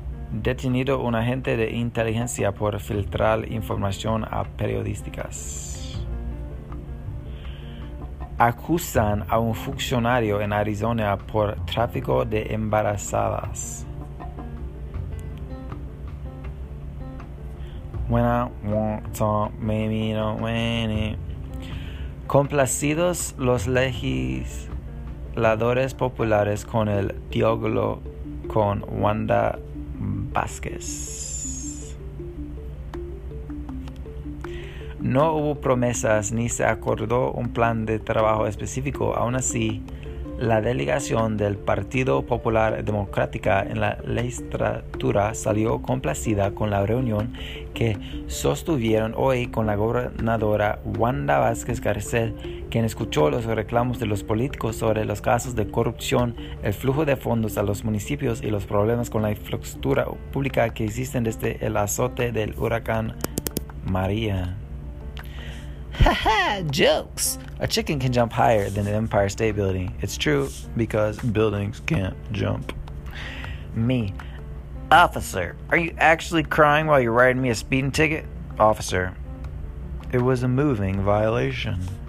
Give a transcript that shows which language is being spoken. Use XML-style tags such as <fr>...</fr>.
<es>Detenido un agente de inteligencia por filtrar información a periodísticas. Acusan a un funcionario en Arizona por tráfico de embarazadas. When I want to, maybe no when it. Complacidos los legisladores populares con el diálogo con Wanda Vázquez. No hubo promesas ni se acordó un plan de trabajo específico. Aún así, la delegación del Partido Popular Democrática en la legislatura salió complacida con la reunión que sostuvieron hoy con la gobernadora Wanda Vázquez Garcet, quien escuchó los reclamos de los políticos sobre los casos de corrupción, el flujo de fondos a los municipios y los problemas con la infraestructura pública que existen desde el azote del huracán María.</es> <en>Haha, jokes. A chicken can jump higher than an Empire State Building. It's true because buildings can't jump. Me. Officer, are you actually crying while you're writing me a speeding ticket? Officer, it was a moving violation.</en>